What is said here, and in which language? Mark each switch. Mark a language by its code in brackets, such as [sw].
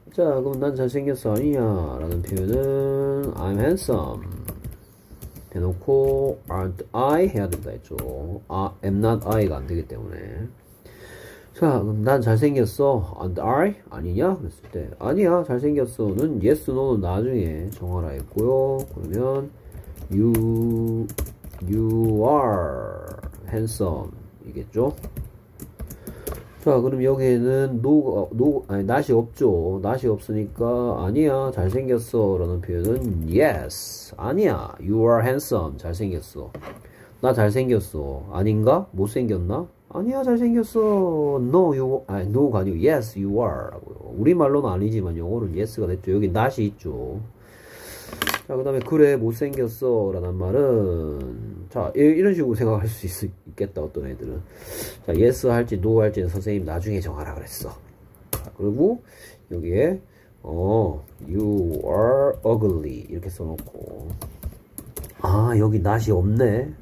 [ko] 자, 그럼 난 잘생겼어 아니냐라는 표현은 [en] I'm handsome [ko] 해놓고 [en] aren't I [ko] 해야 된다 했죠. 아, [en] am not I [ko] 가 안 되기 때문에. 자, 그럼 난 잘생겼어 [en] aren't I [ko] 아니냐 그랬을 때 아니야 잘생겼어는 yes no는 나중에 정하라 했고요. 그러면 [en] you are handsome [ko] 이겠죠? 자, 그럼 여기에는 아니, not이 없죠. not이 없으니까 아니야, 잘생겼어라는 표현은 yes, 아니야, [en] you are handsome, [ko] 잘생겼어. 나 잘생겼어. 아닌가? 못생겼나? 아니야, 잘생겼어. [en] no가 [ko] 아니고 [en] yes, you are라고요. [ko] 우리말로는 아니지만 영어로는 yes가 됐죠. 여기 not이 있죠. 자, 그 다음에 그래 못생겼어라는 말은 자 이런 식으로 생각할 수 있겠다. 어떤 애들은 자 예스 할지 노 할지는 선생님 나중에 정하라 그랬어. 자, 그리고 여기에 [en] you are ugly [ko] 이렇게 써놓고 아 여기 not이 없네.